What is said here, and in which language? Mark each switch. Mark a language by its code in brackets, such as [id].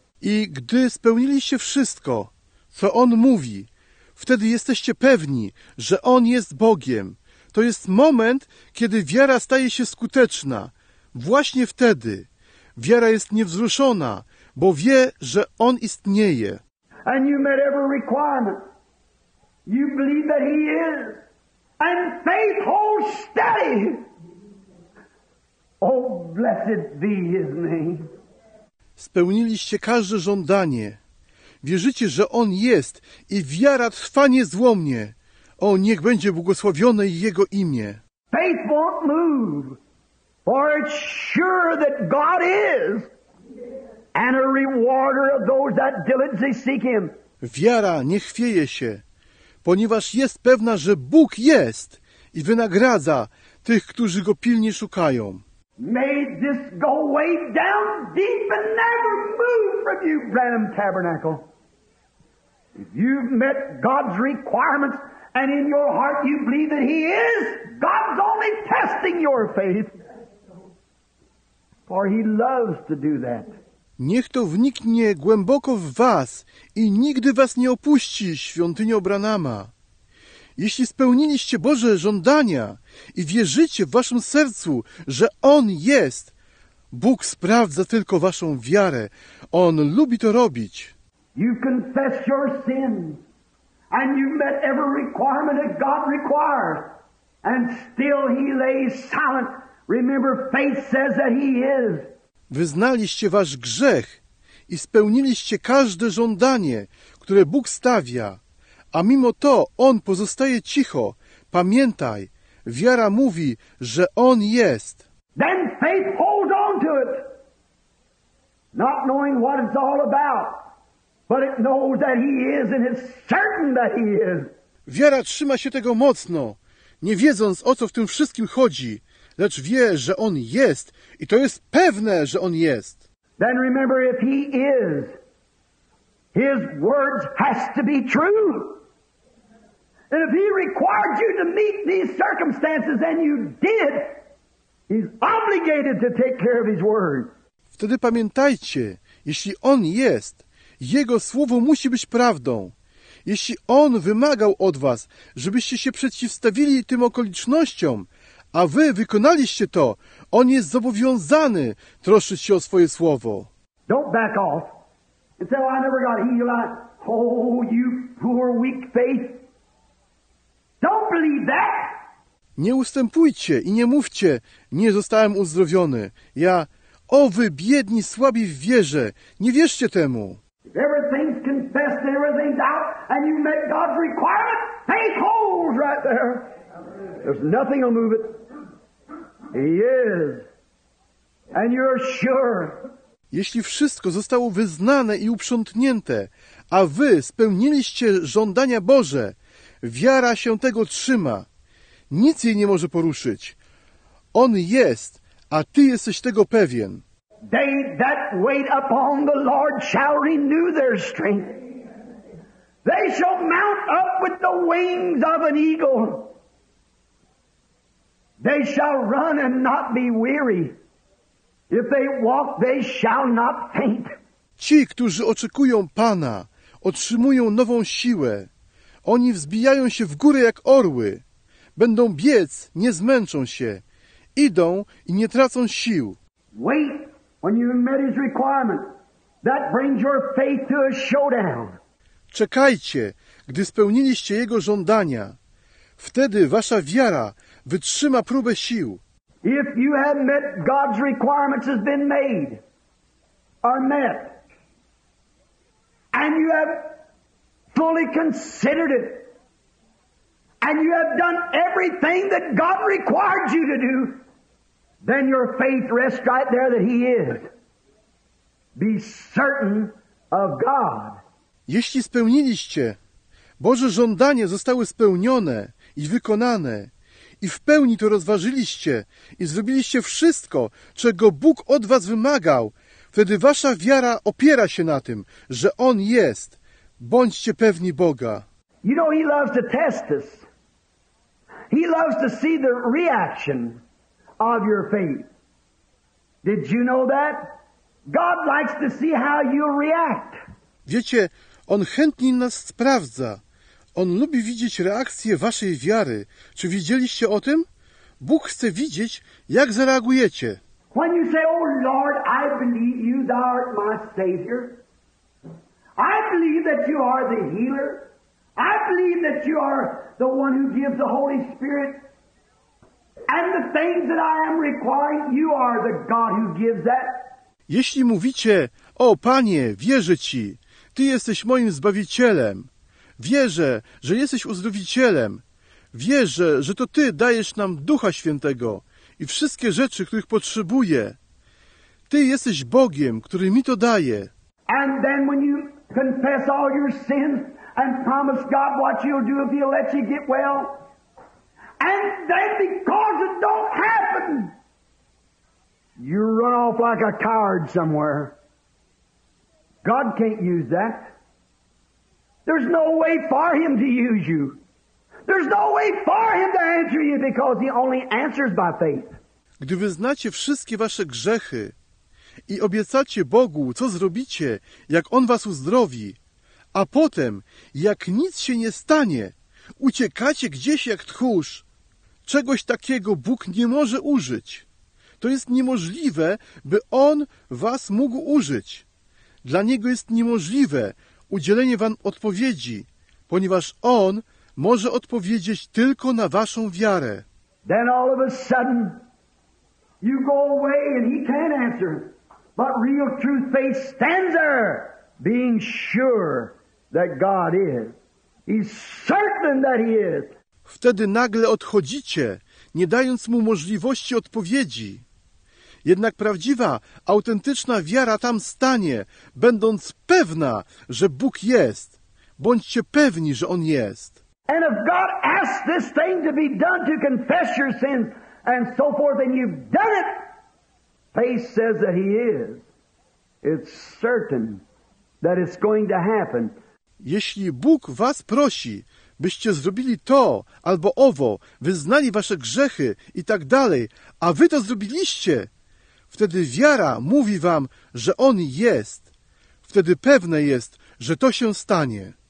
[pl] I gdy spełniliście wszystko, co on mówi, wtedy jesteście pewni, że on jest Bogiem. To jest moment, kiedy wiara staje się skuteczna. Właśnie wtedy wiara jest niewzruszona, bo wie, że On istnieje. [en] And you met every requirement. You believe that He is. And faith holds steady. Oh, blessed be His name. [pl] Spełniliście każde żądanie. Wierzycie, że On jest i wiara trwa niezłomnie. O, niech będzie błogosławione Jego imię. [en] Faith won't move, for it's sure that God is, and a rewarder of those that diligently seek Him. [pl] Wiara nie chwieje się, ponieważ jest pewna, że Bóg jest i wynagradza tych, którzy Go pilnie szukają. [en] May this go way down deep and never move from you, Branham Tabernacle. If you've met God's requirements, and in your heart you believe that He is, God's only testing your faith. For He loves to do that. [pl] Niech to wniknie głęboko w was i nigdy was nie opuści, świątynio Branhama. Jeśli spełniliście Boże żądania i wierzycie w waszym sercu, że On jest, Bóg sprawdza tylko waszą wiarę. On lubi to robić. [en] You confess your sins. And you've met every requirement that God requires. And still He lays silent. Remember, faith says that He is. [pl] Wyznaliście wasz grzech i spełniliście każde żądanie, które Bóg stawia. A mimo to On pozostaje cicho. Pamiętaj, wiara mówi, że On jest. [en] Then faith holds on to it. Not knowing what it's all about. But it knows that He is and it's certain that He is. [pl] Wiara trzyma się tego mocno, nie wiedząc, o co w tym wszystkim chodzi, lecz wie, że On jest i to jest pewne, że On jest. [en] Then remember, if He is, His words has to be true. And if He required you to meet these circumstances, and you did, He's obligated to take care of His word. [pl] Wtedy pamiętajcie, jeśli On jest, Jego Słowo musi być prawdą. Jeśli On wymagał od was, żebyście się przeciwstawili tym okolicznościom, a wy wykonaliście to, On jest zobowiązany troszczyć się o swoje Słowo. [en] Don't back off. And say, oh, I never got healed. Oh, you poor, weak faith. Don't believe that. [pl] Nie ustępujcie i nie mówcie, nie zostałem uzdrowiony. Ja, o wy biedni, słabi w wierze, nie wierzcie temu. [en] If everything's confessed and everything's out and you met God's requirement, faith holds right there. There's nothing will move it. He is. And you're sure. [pl] Jeśli wszystko zostało wyznane i uprzątnięte, a wy spełniliście żądania Boże, wiara się tego trzyma. Nic jej nie może poruszyć. On jest, a ty jesteś tego pewien. [en] They that wait upon the Lord shall renew their strength. They shall mount up with the wings of an eagle. They shall run and not be weary. If they walk, they shall not faint. [pl] Ci, którzy oczekują Pana, otrzymują nową siłę. Oni wzbijają się w góry jak orły. Będą biec, nie zmęczą się. Idą i nie tracą sił. [en] Wait, when you met His requirement, that brings your faith to a showdown. [pl] Czekajcie, gdy spełniliście Jego żądania. Wtedy wasza wiara wytrzyma próbę sił. [en] If you have met God's requirements has been made, are met, and you have fully considered it, and you have done everything that God required you to do, then your faith rests right there that He is. Be certain of God. [pl] Jeśli spełniliście, Boże żądanie zostały spełnione i wykonane, i w pełni to rozważyliście i zrobiliście wszystko, czego Bóg od was wymagał, wtedy wasza wiara opiera się na tym, że On jest. Bądźcie pewni Boga. [en] You know, He loves to test us. He loves to see the reaction of your faith. Did you know that? God likes to see how you react. [pl] Wiecie, On chętnie nas sprawdza. On lubi widzieć reakcję waszej wiary. Czy wiedzieliście o tym? Bóg chce widzieć, jak zareagujecie. [en] When you say, oh Lord, I believe you, thou art my Savior. I believe that you are the healer. I believe that you are the one who gives the Holy Spirit. And the things that I am requiring, you are the God who gives that. [pl] Jeśli mówicie, o Panie, wierzę Ci, Ty jesteś moim Zbawicielem. Wierzę, że jesteś uzdrowicielem. Wierzę, że to Ty dajesz nam Ducha Świętego i wszystkie rzeczy, których potrzebuję. Ty jesteś Bogiem, który mi to daje. [en] And then when you confess all your sins and promise God what you'll do if He'll let you get well, and then because it don't happen, you run off like a coward somewhere. God can't use that. There's no way for Him to use you. There's no way for Him to answer you because He only answers by faith. [pl] Gdy wyznacie wszystkie wasze grzechy i obiecacie Bogu, co zrobicie, jak On was uzdrowi, a potem, jak nic się nie stanie, uciekacie gdzieś jak tchórz, czegoś takiego Bóg nie może użyć. To jest niemożliwe, by On was mógł użyć. Dla Niego jest niemożliwe udzielenie wam odpowiedzi, ponieważ On może odpowiedzieć tylko na waszą wiarę. [en] Then all of a sudden you go away and He can't answer. But real true faith stands there, being sure that God is. He's certain that He is. [pl] Wtedy nagle odchodzicie, nie dając Mu możliwości odpowiedzi. Jednak prawdziwa, autentyczna wiara tam stanie, będąc pewna, że Bóg jest. Bądźcie pewni, że On jest. [en] And if God asks this thing to be done to confess your sins and so forth, and you've done it, faith says that He is. It's certain that it's going to happen. [pl] Jeśli Bóg was prosi, byście zrobili to albo owo, wyznali wasze grzechy i tak dalej, a wy to zrobiliście, wtedy wiara mówi wam, że On jest. Wtedy pewne jest, że to się stanie.